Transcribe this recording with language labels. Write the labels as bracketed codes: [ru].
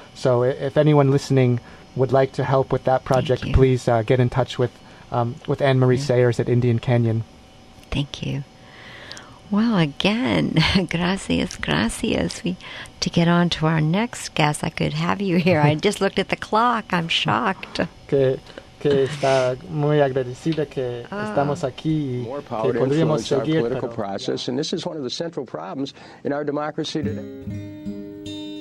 [en] So if anyone listening would like to help with that project, please get in touch with Anne Marie Sayers at Indian Canyon. Thank you. Well, again, gracias. To get on to our next guest, I could have you here. I just looked at the clock. I'm shocked. [es] Que está muy agradecida que estamos aquí y que podríamos seguir. [en] Political process, and this is one of the central problems in our democracy today.